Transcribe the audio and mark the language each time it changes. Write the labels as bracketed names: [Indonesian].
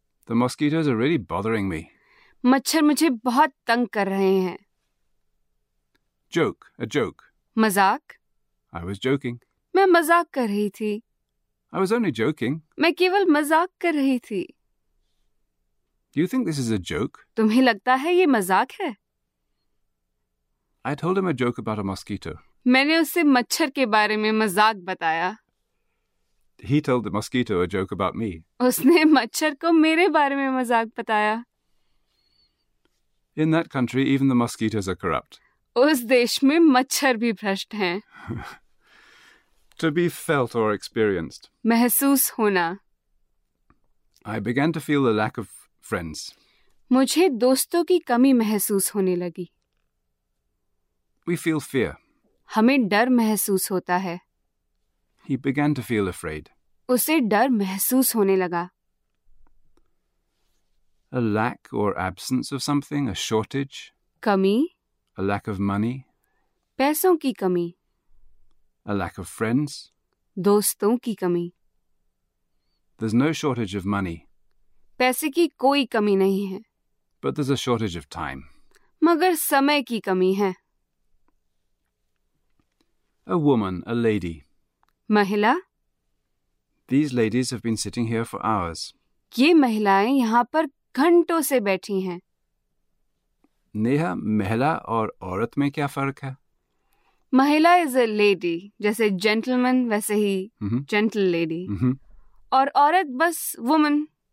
[English] The mosquitoes are really bothering me. [Hindi] मच्छर मुझे बहुत तंग कर रहे हैं. [English] Joke, a joke. [Hindi] मजाक. [English] I was joking. [Hindi] मैं मजाक कर रही थी. [English] I was only joking. [Hindi] मैं केवल मजाक कर रही थी. [English] Do you think this is a joke? [Hindi] तुम्हें लगता है ये मजाक है? [English] I told him a joke about a mosquito. [Hindi] मैंने उसे मच्छर के बारे में मजाक बताया. [English] He told the mosquito a joke about me. [Hindi] उसने मच्छर को मेरे बारे में मजाक बताया. [English] In that country, even the mosquitoes are corrupt. [Hindi] उस देश में मच्छर भी भ्रष्ट हैं. [English] To be felt or experienced. [Hindi] महसूस होना. [English] I began to feel the lack of friends. [Hindi] मुझे दोस्तों की कमी महसूस होने लगी. [English] We feel fear. [Hindi] हमें डर महसूस होता है. [English] He began to feel afraid. [Hindi] उसे डर महसूस होने लगा. [English] A lack or absence of something, a shortage. [Hindi] कमी. [English] A lack of money. [Hindi] पैसों की कमी. [English] A lack of friends. [Hindi] दोस्तों की कमी. [English] There's no shortage of money. [Hindi] पैसे की कोई कमी नहीं है. [English] But there's a shortage of time. [Hindi] मगर समय की कमी है. [English] A woman, a lady. [Hindi] महिला. [English] These ladies have been sitting here for hours. [Hindi] ये महिलाएं यहाँ पर घंटों से बैठी हैं. नेहा, महिला और औरत में क्या फर्क है? [English] महिला is a lady, [Hindi] जैसे [English] gentleman [Hindi] वैसे ही [English] Gentle lady. [Hindi] और औरत बस वुमन.